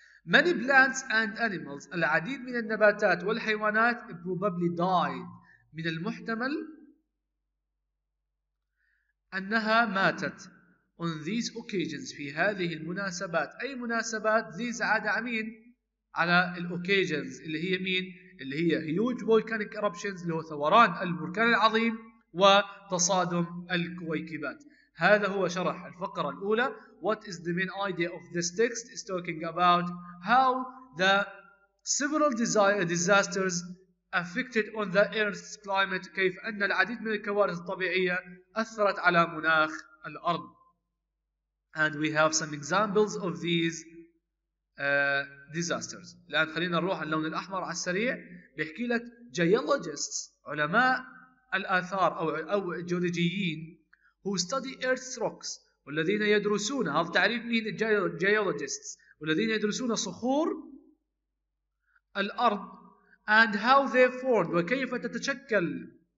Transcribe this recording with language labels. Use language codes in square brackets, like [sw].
[en] Many plants and animals [ar] العديد من النباتات والحيوانات [en] probably died [ar] من المحتمل أنها ماتت [en] on these occasions [ar] في هذه المناسبات. أي مناسبات؟ these عادة عمين على ال occasions اللي هي مين؟ اللي هي [en] huge volcanic eruptions [ar] اللي هو ثوران البركان العظيم وتصادم الكويكبات. هذا هو شرح الفقرة الأولى. [en] What is the main idea of this text? It's talking about how the several disasters affected on the Earth's climate. [ar] كيف أن العديد من الكوارث الطبيعية أثرت على مناخ الأرض. [en] And we have some examples of these disasters. [ar] الآن خلينا نروح اللون الأحمر على السريع. بيحكي لك geologists علماء الآثار أو جيولوجيين [en] who study Earth's rocks [ar] والذين يدرسون هذا تعريف مين geologists والذين يدرسون صخور الأرض [en] and how they formed [ar] وكيف تتشكل